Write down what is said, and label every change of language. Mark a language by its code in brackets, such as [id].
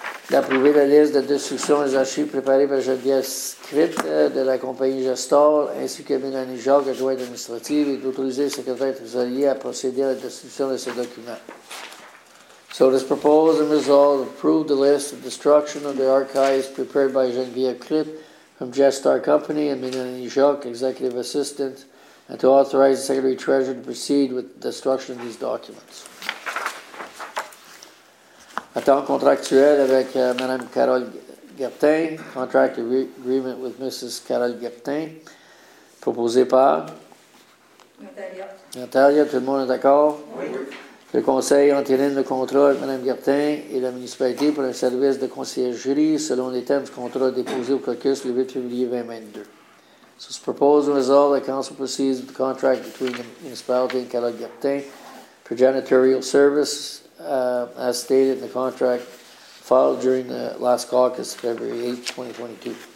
[fr] D'approuver la liste de destruction des archives préparées par Geneviève Scritt de la compagnie Gestor, ainsi que Mélanie Jacques, adjointe administrative, et d'autoriser le secrétaire trésorier à procéder à la destruction de ces documents. [en] So it is proposed and resolved to approve the list of destruction of the archives prepared by Geneviève Scritt from Gestor Company and Mélanie Jacques, executive assistant, and to authorize the secretary treasurer to proceed with the destruction of these documents. [fr] À temps contractuel avec Mme Carole Gertin, [en] contract agreement with Mrs. [fr] Carole Gertin, proposé par Natalia. Tout le monde est d'accord? Oui. Le conseil entérine le contrat avec Mme Gertin et la municipalité pour un service de conciergerie selon les termes du contrat déposé au caucus le 8 février 2022. [en] So, [fr] ce proposé résolve, [en] the council proceeds with the contract between the municipality and Carole Gertin for janitorial service. As stated in the contract filed during the last caucus, February 8, 2022.